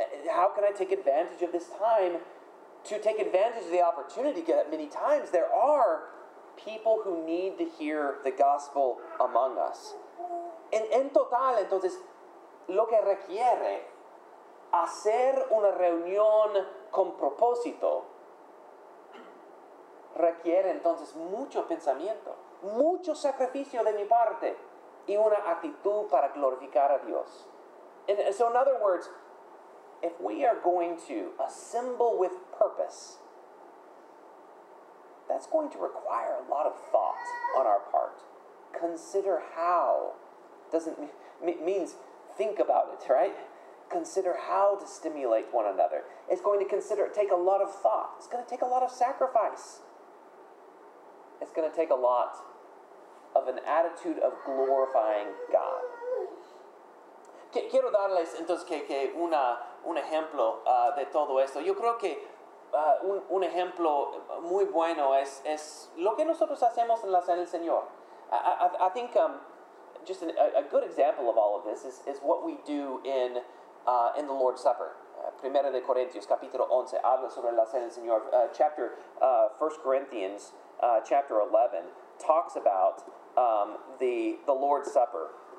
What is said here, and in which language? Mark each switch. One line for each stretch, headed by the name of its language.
English: How can I take advantage of this time to take advantage of the opportunity that many times there are people who need to hear the gospel among us?
Spanish: En total, entonces, lo que requiere hacer una reunión con propósito requiere entonces mucho pensamiento, mucho sacrificio de mi parte y una actitud para glorificar a Dios.
English: And so in other words, if we are going to assemble with purpose, that's going to require a lot of thought on our part. Consider how. Means think about it, right? Consider how to stimulate one another. It's going to take a lot of thought. It's going to take a lot of sacrifice. It's going to take a lot of an attitude of glorifying God.
Spanish: Quiero darles entonces que un ejemplo de todo esto. Yo creo que un ejemplo muy bueno es lo que nosotros hacemos en la cena del Señor.
English: I think just a good example of all of this is what we do in the Lord's Supper.
Spanish: Primera de Corintios, capítulo 11, habla sobre la cena del Señor.
English: First Corinthians, chapter 11, talks about the Lord's Supper.